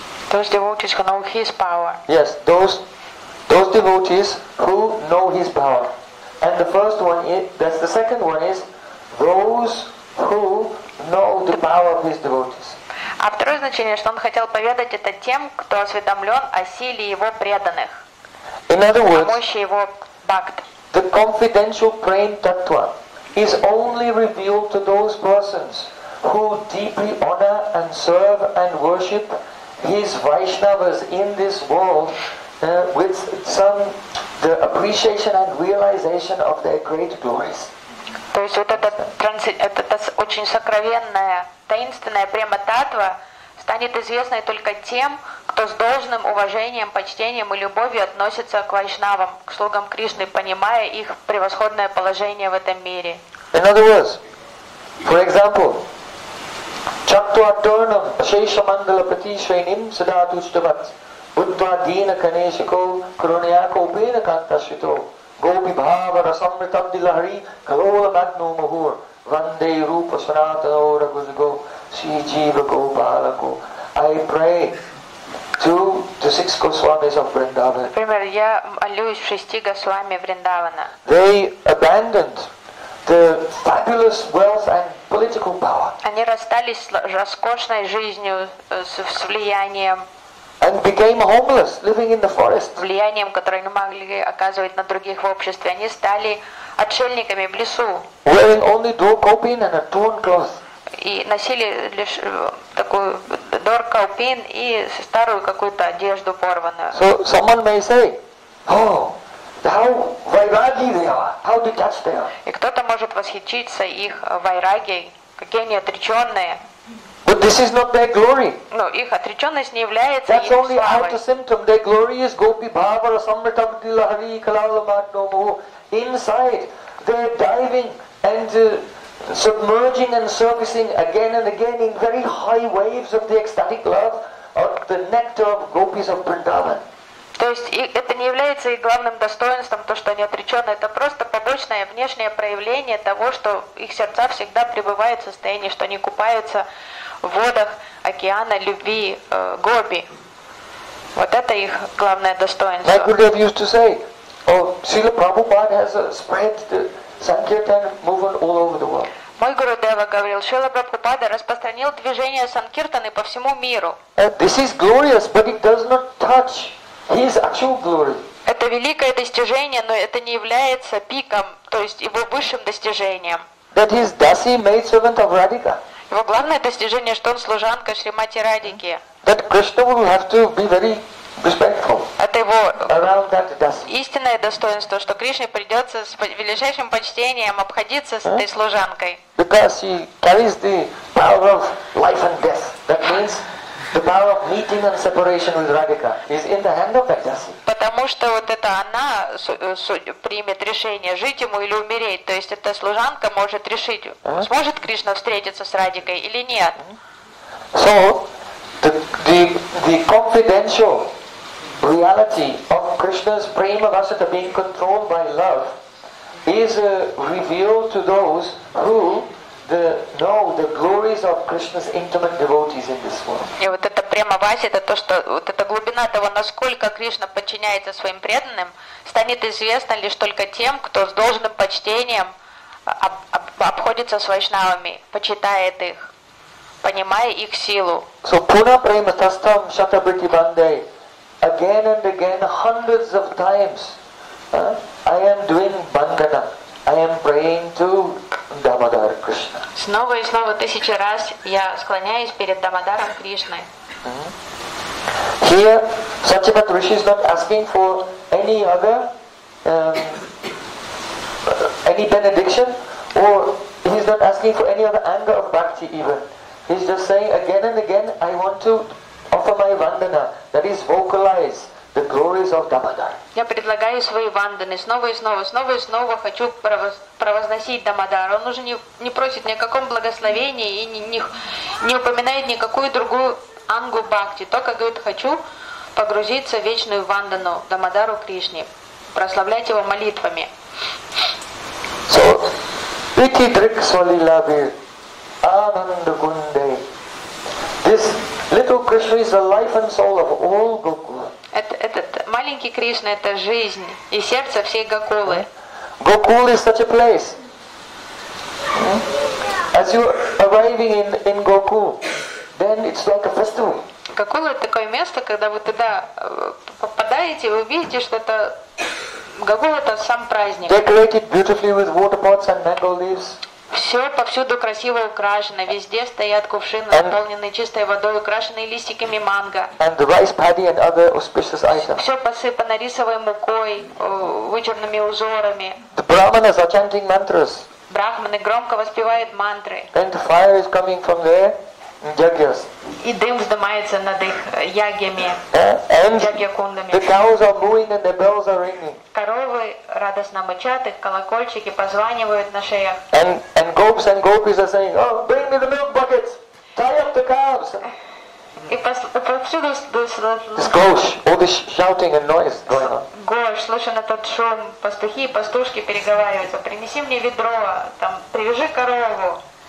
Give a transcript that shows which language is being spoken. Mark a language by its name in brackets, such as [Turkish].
[English] Those devotees who know his power. Yes, those devotees who know his power. And the first one is, that's the second one is those who know the power of his devotees. [Russian] А второе значение, что он хотел поведать это тем, кто осведомлен о силе его преданных, [English] in other words, [Russian] о мощи его бхакт. [English] The confidential prema tattva is only revealed to those persons who deeply honor and serve and worship his Vaishnavas in this world with some the appreciation and realization of their great glories. [Russian] То есть вот это очень сокровенная, таинственная према татва станет известной только тем, кто с должным уважением, почтением и любовью относится к вайшнавам, к слугам Кришны, понимая их превосходное положение в этом мире. [English] In other words, for example, [Sanskrit] Chaktuaturnam Sheshamangala Pati Shrenim Siddhatushtavat Buddha Dina Kaneshiko Kuruniyako Upena Kantashito Gopi Bhava Rasamritam Dilahari Kalola Magno Mahur Vande Rupa Sanatana Ora Guzugo Sri Jiva Gopalako. [English] I pray to the six Goswamis of Vrindavan. [Russian] Например, я молюсь шести Госвами Вриндавана. [English] They abandoned the fabulous wealth and political power. [Russian] Они расстались с роскошной жизнью, с влиянием. [English] And became homeless, living in the forest. [Russian] Влиянием, которое не могли оказывать на других в обществе, они стали отшельниками в лесу. [English] Wearing only dorkopin and a torn cloth. [Russian] И носили лишь такую dorkopin и старую какую-то одежду порванную. [English] So someone may say, oh, how vairagi they are, how detached they are. [Russian] И кто-то может восхититься их вайраги, какие они отреченные. [English] But this is not their glory. [Russian] No, их отреченность не является их славой. [English] That's only outer symptom. Their glory is [Sanskrit] Gopi Bhava or Samrita Bhilahari Kalalamadnomo. [English] Inside, they're diving and submerging and surfacing again and again in very high waves of the ecstatic love of the nectar of Gopis of Vrindavan. [Russian] То есть это не является их главным достоинством, то, что они отречены. Это просто побочное внешнее проявление того, что их сердца всегда пребывают в состоянии, что они купаются в водах океана любви Гопи. Вот это их главное достоинство. [English] Like Gurudev used to say, oh, Srila Prabhupada has spread the Sankirtan movement all over the world. [Russian] Мой Гурудева говорил, Шрила Прабхупада распространил движение Санкиртаны по всему миру. [English] This is glorious, but it does not touch His actual glory. [Russian] Это великое достижение, но это не является пиком, то есть его высшим достижением. [English] That his dasi maidservant of Radhika. [Russian] Его главное достижение, что он служанка Шримати Радики. [English] That Krishna will have to be very respectful. [Russian] Это его [English] around that dasi. [Russian] Истинное достоинство, что Кришне придется с величайшим почтением обходиться с этой служанкой. [English] Because he carries the power of life and death. That means. The power of meeting and separation with Radhika is in the hand of that dasi. [Russian] Потому что вот это она примет решение жить ему или умереть. То есть эта служанка может решить, сможет Кришна встретиться с Радикой или нет. [English] So the confidential reality of Krishna's prema vasata being controlled by love is revealed to those who know the glories of Krishna's intimate devotees in this world. [Russian] И вот это према васи, это то, что вот эта глубина того, насколько Кришна подчиняется своим преданным, станет известна лишь только тем, кто с должным почтением обходится с вайшнавами, почитает их, понимая их силу. [Sanskrit] So puna prema tastam shatabriti bandai. [English] Again and again, hundreds of times, I am doing bandana. I am praying to Damodar Krishna. [Russian] Снова и снова тысячи раз я склоняюсь перед Дамодаром Кришной. [English] Here, Satyavrata Rishi is not asking for any other any benediction, or he's not asking for any other anger of bhakti even. He's just saying again and again, I want to offer my vandana, that is vocalize. The glories of Damodar. [Russian] Я предлагаю свои ванданы снова и снова, снова и снова хочу провозносить Дамодар. Он уже не просит ни о каком благословении и не упоминает никакую другую ангу бхакти. Только говорит, хочу погрузиться в вечную вандану Дамодару Кришне, прославлять его молитвами. [Sanskrit] So, piti drik swalilabi, ananda gunde. [English] This little Krishna is the life and soul of all Gokula. [Russian] Этот маленький Кришна — это жизнь и сердце всей Гокулы. [English] Gokula is such a place. As you arriving in Gokula, then it's like a festival. [Russian] Гокула — это такое место, когда вы туда попадаете, вы видите, что это Гокула — это сам праздник. [English] Decorated beautifully with water pots and mango leaves. [Russian] Все повсюду красиво украшено. Везде стоят кувшины, наполненные чистой водой, украшенные листиками манго. [English] And the rice paddy and other auspicious items. [Russian] Все посыпано рисовой мукой, вычурными узорами. [English] The brahmanas are chanting mantras. [Russian] Брахманы громко воспевают мантры. [English] And fire is coming from there, yagyas. [Russian] И дым вздымается над их ягьями, ягьякундами. [English] The cows are mooing and the bells are ringing. [Russian] Коровы радостно мычат, их колокольчики позванивают на шеях. [English] And gopis and gopis are saying, oh, bring me the milk buckets, tie up the calves. [Russian] И повсюду слышно. [English] This gosh, all this shouting and noise going on. [Russian] Гош, слышен этот шум, пастухи и пастушки переговариваются, принеси мне ведро, там, привяжи корову.